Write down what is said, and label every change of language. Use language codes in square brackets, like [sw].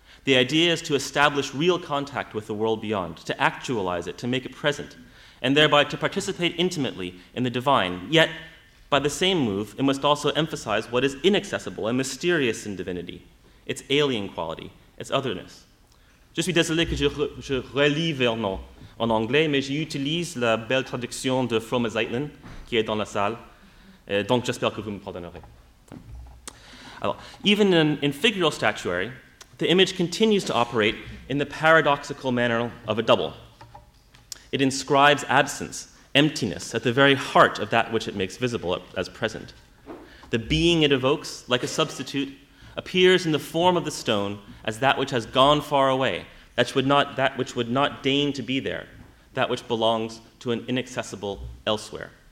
[en] The idea is to establish real contact with the world beyond, to actualize it, to make it present, and thereby to participate intimately in the divine. Yet, by the same move, it must also emphasize what is inaccessible and mysterious in divinity, its alien quality, its otherness. [fr] Je suis désolé que je relis Vernant en anglais, mais j'utilise la belle traduction de Fromme Zeitlin, qui est dans la salle. Donc j'espère que vous me pardonnerez. [en] Alors, even in figural statuary, the image continues to operate in the paradoxical manner of a double. It inscribes absence, emptiness, at the very heart of that which it makes visible as present. The being it evokes, like a substitute, appears in the form of the stone as that which has gone far away, that which would not deign to be there, that which belongs to an inaccessible elsewhere.